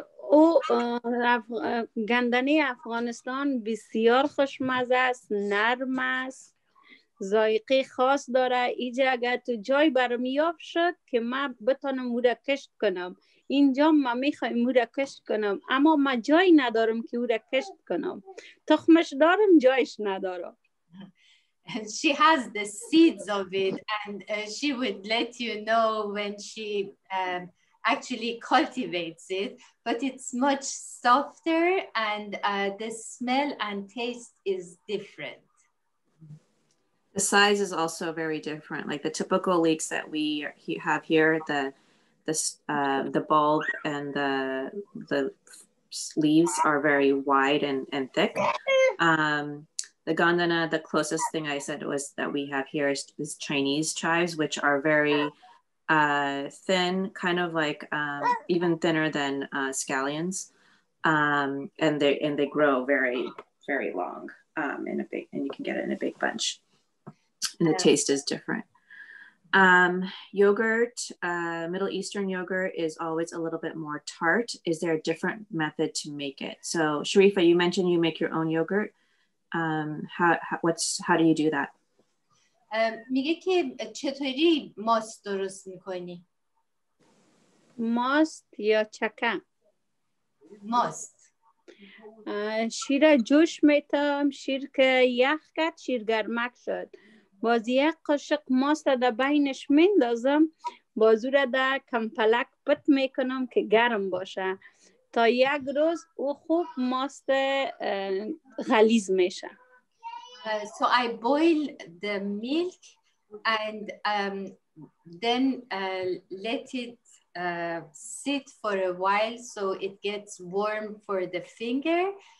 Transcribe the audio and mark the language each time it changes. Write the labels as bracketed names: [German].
[Persian] او گاندانه افغانستان بسیار خوشمزه است، نرم است، ذائقه خاص داره. ایجا اگر تو جای برم یاب شد که من بتانم او را کشت کنم، اینجا من میخوایم او را کشت کنم، اما من جای ندارم که او را کشت کنم، تخمش دارم جایش ندارم. [English] And she has the seeds of it, and she would let you know when she actually cultivates it. But it's much softer, and the smell and taste is different. The size is also very different. Like the typical leeks that we have here, the bulb and the leaves are very wide and thick. The gandana, the closest thing I said was that we have here is Chinese chives, which are very thin, kind of like even thinner than scallions, and they grow very, very long in a big, and you can get it in a big bunch, and the taste is different. Yogurt, Middle Eastern yogurt is always a little bit more tart. Is there a different method to make it? So Sharifa, you mentioned you make your own yogurt. How do you do that? [Persian] میگه که چطوری ماست درست میکنی؟ ماست یا چکن؟ ماست. شیر جوش میتم، شیر که یخ کرد، شیر گرمک شد. باز یک قاشق ماست در بینش میندازم، بازو را در کمپلک پت میکنم که گرم باشه تا یک روز او خوب ماست غلیظ میشه. [English] So I boil the milk and then let it sit for a while so it gets warm for the finger.